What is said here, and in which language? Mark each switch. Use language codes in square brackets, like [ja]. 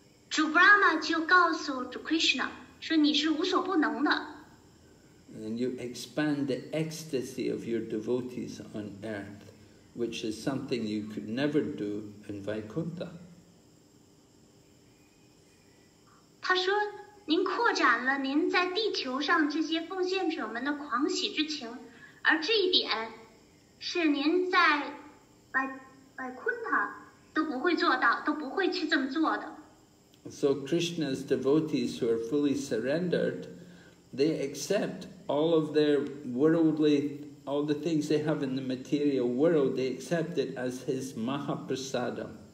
[zh] 主 Brahma 就告诉主 Krishna,说你是无所不能的。 [en] And you expand the ecstasy of your devotees on earth, which is something you could never do in Vaikuntha. [zh] 他说，您扩展了您在地球上这些奉献者们的狂喜之情，而这一点是您在Vaikuntha都不会做到，都不会去这么做的。 [en] So Krishna's devotees who are fully surrendered, they accept all of their worldly, all the things they have in the material world, they accept it as his Mahaprasadam.